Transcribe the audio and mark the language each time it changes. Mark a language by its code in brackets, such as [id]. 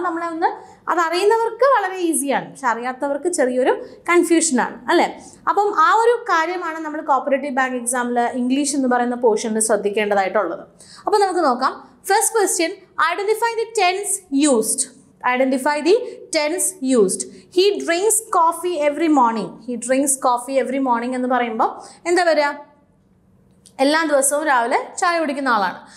[ml] അപ്പോൾ അത് നമ്മളൊന്ന് അതറിയുന്നവർക്ക് വളരെ ഈസിയാണ്, പക്ഷെ അറിയാത്തവർക്ക് ചെറിയൊരു കൺഫ്യൂഷനാണ്, അല്ലേ? അപ്പം ആ ഒരു കാര്യമാണ് നമ്മൾ കോഓപ്പറേറ്റീവ് ബാങ്ക് എക്സാമിൽ ഇംഗ്ലീഷ് എന്ന് പറയുന്ന പോർഷനിൽ ശ്രദ്ധിക്കേണ്ടതായിട്ടുള്ളത്. അപ്പോൾ നമുക്ക് നോക്കാം. [en] First question, identify the tense used. Identify the tense used. He drinks coffee every morning. He drinks coffee every morning [ml] എന്ന് പറയുമ്പോൾ എന്താ വരിക? എല്ലാ ദിവസവും രാവിലെ ചായ കുടിക്കുന്ന ആളാണ്.